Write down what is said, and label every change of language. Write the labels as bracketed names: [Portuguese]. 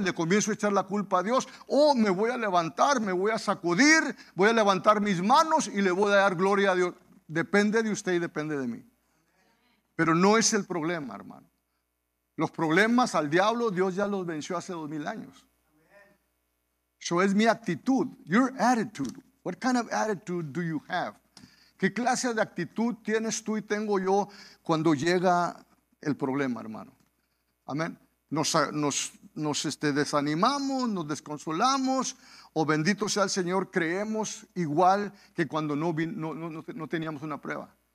[Spanish] ¿Le comienzo a echar la culpa a Dios? ¿O me voy a levantar, me voy a sacudir, voy a levantar mis manos y le voy a dar gloria a Dios? Depende de usted y depende de mí. Pero no es el problema, hermano. Los problemas al diablo, Dios ya los venció hace 2000 años. Eso es mi actitud. [English] Your attitude. What kind of attitude do you have? [Spanish] ¿Qué clase de actitud tienes tú y tengo yo cuando llega el problema, hermano? Amén. Nos desanimamos, nos desconsolamos, o bendito sea el Señor, creemos igual que cuando no teníamos una prueba.